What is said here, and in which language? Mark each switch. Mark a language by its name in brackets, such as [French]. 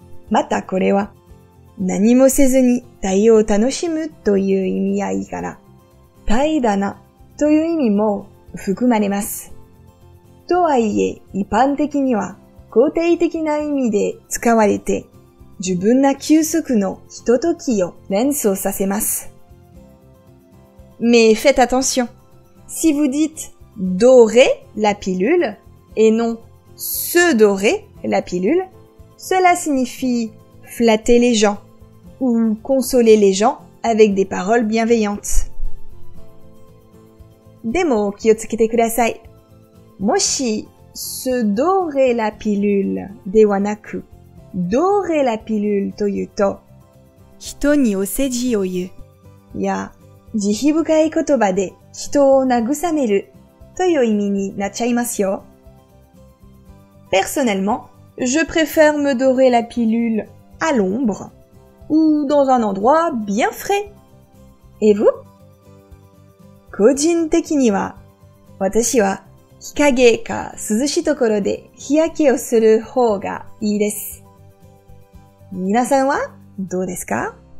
[Japanese] またこれは、何もせずに太陽を楽しむという意味合いから、怠惰なという意味も含まれます。とはいえ、一般的には肯定的な意味で使われて、十分な休息のひとときを連想させます。 [French] Mais faites attention. Si vous dites dorer la pilule et non se dorer la pilule, cela signifie flatter les gens ou consoler les gens avec des paroles bienveillantes. [Japanese] でも気をつけてください。もし、 [French] se dorer la pilule [Japanese] ではなく、 [French] dorer la pilule [Japanese] というと、人にお世辞を言う。いや、慈悲深い言葉で人を慰めるという意味になっちゃいますよ。 [French] Personnellement, je préfère me dorer la pilule à l'ombre ou dans un endroit bien frais. Et vous? [Japanese] 個人的には、私は日陰か涼しいところで日焼けをする方がいいです。皆さんはどうですか?